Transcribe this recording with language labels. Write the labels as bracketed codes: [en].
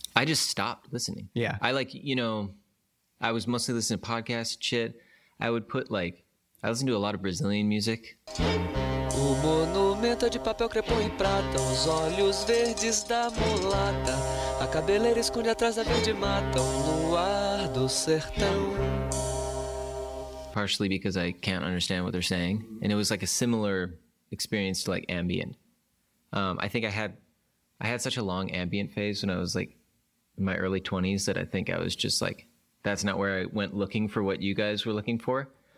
[en] I just stopped listening. Yeah. I like, you know, I was mostly listening to podcast shit. I would put like, I listened to a lot of Brazilian music. [pt] O monumento de papel crepom e prata, os olhos verdes da mulata, a cabeleira esconde atrás da verde mata, o luar do sertão. [en] Partially because I can't understand what they're saying. And it was like a similar experience to like ambient. I think I had such a long ambient phase when I was like in my early 20s that I think I was just like, that's not where I went looking for what you guys were looking for.